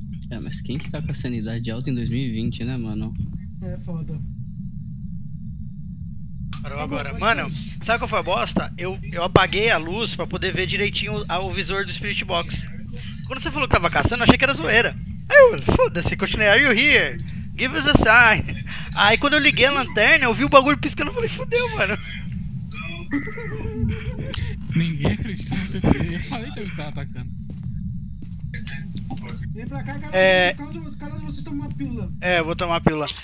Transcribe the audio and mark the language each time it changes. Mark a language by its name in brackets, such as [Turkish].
[Portuguese] É, mas quem que tá com a sanidade alta em 2020, né, mano? É foda. Parou agora. Mano, sabe qual foi a bosta? Eu apaguei a luz pra poder ver direitinho o visor do Spirit Box. Quando você falou que tava caçando, eu achei que era zoeira. Aí eu, foda-se, continuei, [English] are you here? Give us a sign. [Portuguese] Aí quando eu liguei a lanterna, eu vi o bagulho piscando, eu falei, fodeu, mano. Ninguém acredita no TT, eu falei que ele tava atacando. Vem pra cá, cada um de vocês toma uma pílula. É, eu vou tomar a pílula.